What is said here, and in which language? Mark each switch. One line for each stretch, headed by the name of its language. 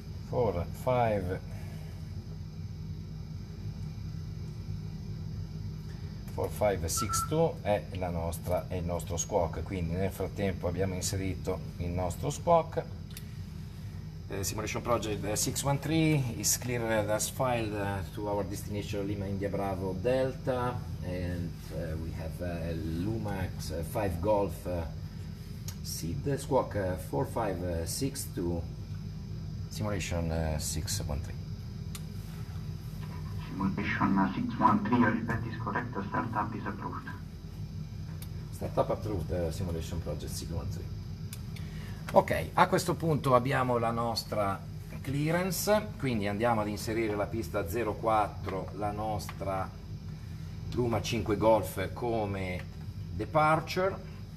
English: Four, five, four, five, six, two
Italian: è la nostra, è il nostro
English: squawk.
Italian: Quindi nel frattempo abbiamo inserito il nostro squawk.
English: Simulation Project 613 is clear as filed to our destination Lima India Bravo Delta, and we have a Lumax 5 Golf seat. Squawk 4562. Simulation 613. Simulation 613, your repeat is correct, startup is approved. Startup approved, Simulation Project 613.
Italian: Ok, a questo punto abbiamo la nostra clearance, quindi andiamo ad inserire la pista 04, la nostra Luma 5 Golf come departure.